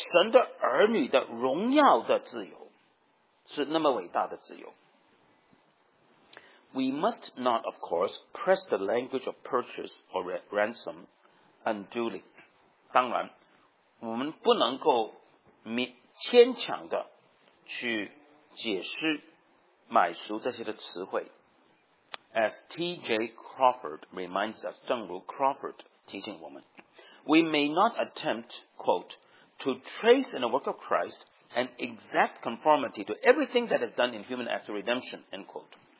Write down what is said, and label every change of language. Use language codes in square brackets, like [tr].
[zh] 这个自由就是做神的儿女的荣耀的自由, 是那么伟大的自由。 [en] We must not, of course, press the language of purchase or ransom unduly. [zh] 当然,我们不能够勉强地去解释买书这些的词汇. [en] As T.J. Crawford reminds us, [zh] 正如 Crawford 提醒我们, [en] we may not attempt, quote, to trace in the work of Christ an exact conformity to everything that is done in human acts of redemption, end quote.